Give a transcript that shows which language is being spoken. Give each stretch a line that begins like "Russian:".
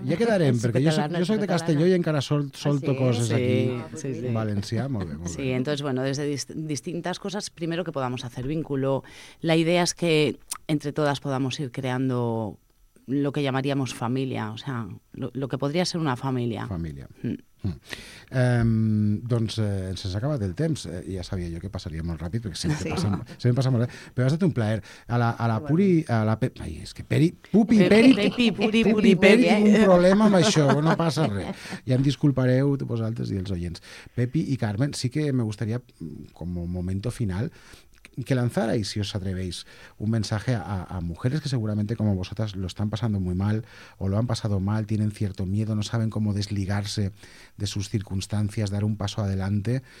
Spanish: Ya quedaré, porque yo soy de Castelló y
Catalan: encara solto cosas
Spanish: sí, aquí. Sí, sí.
Catalan: Valencià, molt bé, molt sí, bé.
Spanish: Sí, entonces, bueno, desde distintas cosas, primero que podamos hacer vínculo. La idea es que entre todas podamos ir creando lo que llamaríamos familia, o sea, lo que podría ser una familia. Familia.
Catalan: Doncs se'ns ha acabat el temps, ja sabia jo que passaria molt ràpid, perquè sempre passa molt bé, però ha estat un plaer. A la Puri, a la Pep, ai, és que Peri, Pupi, Peri, Puri, Peri, un problema amb això, no passa res. Ja em disculpareu vosaltres i els oients.
Spanish: Pepi i Carmen, sí que me gustaría,
Catalan: com a
Spanish: momento final, que lanzarais, si os atrevéis, un mensaje a mujeres que seguramente como vosotras lo están pasando muy mal o lo han pasado mal, tienen cierto miedo, no saben cómo desligarse de sus circunstancias, dar un paso adelante.